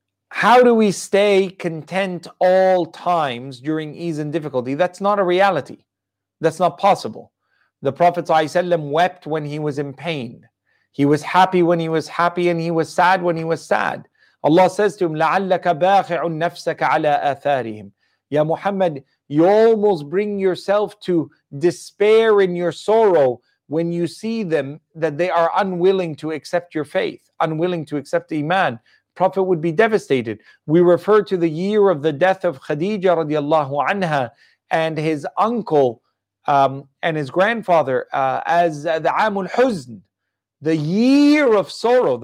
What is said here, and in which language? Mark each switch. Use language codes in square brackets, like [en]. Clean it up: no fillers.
[en] How do we stay content all times during ease and difficulty? That's not a reality. That's not possible. The Prophet ﷺ wept when he was in pain. He was happy when he was happy, and he was sad when he was sad. Allah says to him, [ar] لَعَلَّكَ بَاخِعٌ نَفْسَكَ عَلَىٰ أَثَارِهِمْ. [en] Ya Muhammad, you almost bring yourself to despair in your sorrow when you see them, that they are unwilling to accept your faith, unwilling to accept Iman. Prophet would be devastated. We refer to the year of the death of Khadija radiallahu anha and his uncle and his grandfather as the Aam al-Huzn, the year of sorrow.